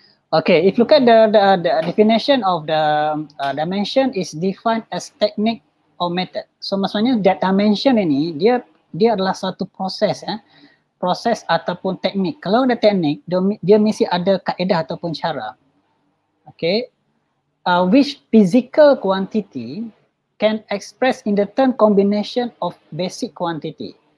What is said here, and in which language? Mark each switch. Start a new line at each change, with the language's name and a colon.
English: Okay, if look at the definition of the dimension is defined as technique or method.
Malay: So maksudnya that dimension ini dia adalah satu proses proses ataupun teknik. Kalau ada teknik, dia mesti ada kaedah ataupun cara.
English: Okay, which physical quantity can express in the term combination of basic quantity.